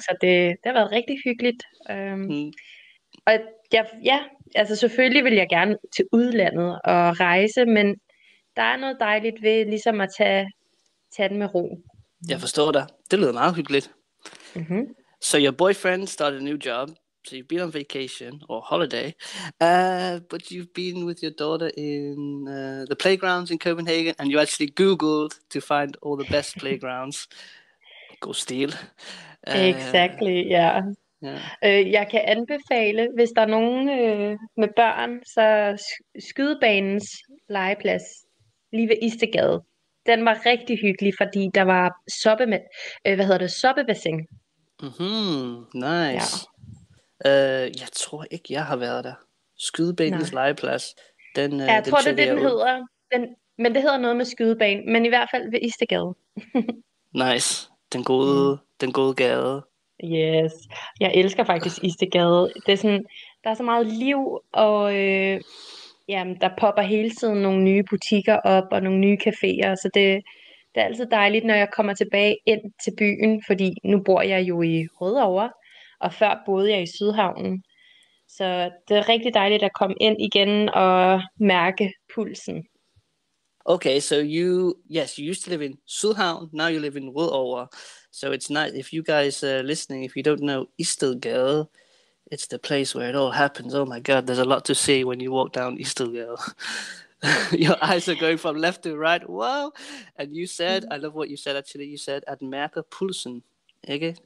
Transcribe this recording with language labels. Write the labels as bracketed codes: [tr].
[da] Så det har været rigtig hyggeligt. Og altså selvfølgelig vil jeg gerne til udlandet og rejse, men der er noget dejligt ved ligesom at tage den med ro. Jeg forstår dig. Det lyder meget hyggeligt. [en] Mm-hmm. So your boyfriend started a new job. So you've been on vacation or holiday, but you've been with your daughter in the playgrounds in Copenhagen, and you actually Googled to find all the best playgrounds. Go steal. Exactly, yeah. Yeah. [da] Jeg kan anbefale, hvis der er nogen med børn, så skydebanens legeplads lige ved Istegade. Den var rigtig hyggelig, fordi der var soppebassin. Mm-hmm. Nice. Ja. Jeg tror ikke, jeg har været der. Skydebanens legeplads. Jeg tror, det er det, den hedder. Men det hedder noget med skydebane. Men i hvert fald ved Istegade. Nice. Den gode gade. [en] Yes. [da] Jeg elsker faktisk Istegade. Det er sådan, der er så meget liv, og der popper hele tiden nogle nye butikker op, og nogle nye caféer. Så det er altid dejligt, når jeg kommer tilbage ind til byen, fordi nu bor jeg jo i Rødovre. Og før boede jeg i Sydhavnen. Så det er rigtig dejligt at komme ind igen og mærke pulsen. [en] Okay, so you used to live in Sydhavn, now you live in Rødovre. So it's nice, if you guys are listening, if you don't know Istegade, it's the place where it all happens. Oh my god, there's a lot to see when you walk down Istegade. Your eyes are going from left to right. Wow! And you said, I love what you said actually, you said [da] at mærke pulsen, ikke?